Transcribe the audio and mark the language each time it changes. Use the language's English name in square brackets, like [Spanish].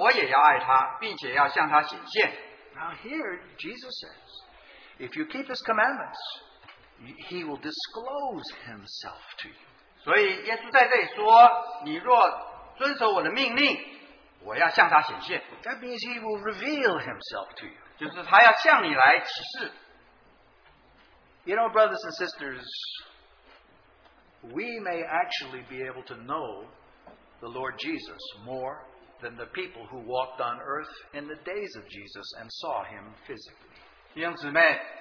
[Chinese] 有了我的命令又遵守的，这人就是爱我的，爱我的必蒙我父爱他，我也要爱他，并且要向他显现。 [English] Now here Jesus says, if you keep his commandments, he will disclose himself to you. [Chinese] 所以耶稣在这里说，你若遵守我的命令，我要向他显现。 [English] That means he will reveal himself to you. [Chinese] 就是他要向你来启示. [English] You know, brothers and sisters, we may actually be able to know the Lord Jesus more than the people who walked on earth in the days of Jesus and saw him physically.